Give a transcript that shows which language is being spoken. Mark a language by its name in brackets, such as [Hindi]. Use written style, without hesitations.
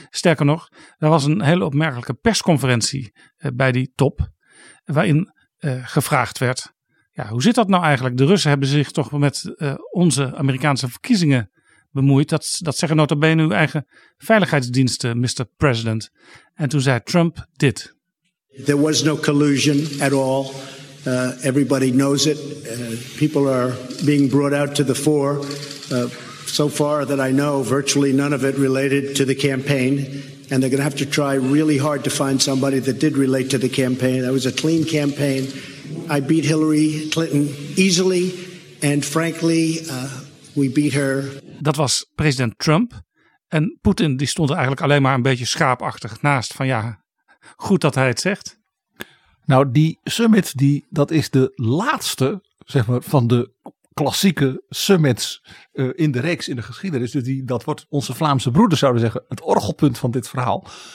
[Dutch] Sterker nog, er was een hele opmerkelijke persconferentie bij die top. Waarin gevraagd werd, hoe zit dat nou eigenlijk? De Russen hebben zich toch met onze Amerikaanse verkiezingen bemoeid. Dat zeggen nota bene uw eigen veiligheidsdiensten, Mr. President. En toen zei Trump dit. [English] There was no collusion at all. Everybody knows it. People are being brought out to the fore. So far that I know, virtually none of it related to the campaign. And they're going to have to try really hard to find somebody that did relate to the campaign. That was a clean campaign. I beat Hillary Clinton easily. And frankly, we beat her. [Dutch] Dat was president Trump. En Poetin die stond er eigenlijk alleen maar een beetje schaapachtig naast. Van goed dat hij het zegt. Nou, die summit, dat is de laatste, zeg maar, van de klassieke summits in de reeks in de geschiedenis. Dus dat wordt, onze Vlaamse broeders zouden zeggen, het orgelpunt van dit verhaal.